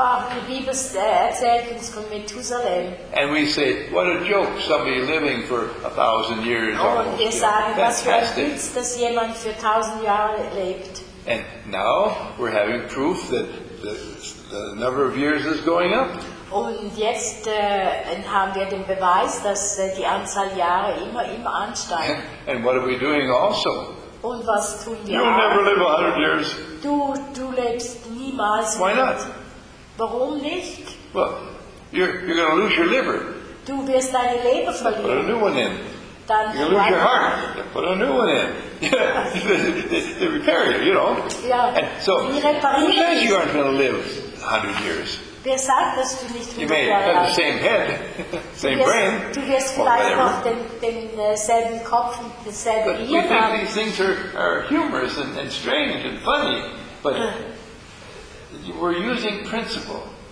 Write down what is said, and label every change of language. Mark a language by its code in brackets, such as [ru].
[de] Die Bibel erzählt uns von Methuselah. [en] And we say, what a joke, somebody living for 1,000 years almost. [de] Und wir sagen, was für ein Witz, dass jemand für 1,000 Jahre lebt. [en] And now we're having proof that the number of years is going up. [de] Und jetzt haben wir den Beweis, dass die Anzahl Jahre immer ansteigt. [en] And what are we doing also? [de] Und was tun wir? [en] You'll never live 100 years. [de] Du lebst niemals. [en] Why not? [de] Warum nicht? [en] Well, you're going to lose your liver. [de] Du wirst deine Leber verlieren. [en] Put a new one in. [de] Dann [en] you're going to lose your heart. Put a new one in. They repair it, you know. [de] Ja. [en] And so, who says you aren't going to live 100 years? [de] Wer sagt, dass du nicht [en] you may have the same head, same brain. [de] Du wirst vielleicht noch den selben Kopf und den selben Hirn haben. [en] We think these things are humorous and strange and funny, but we're using principle.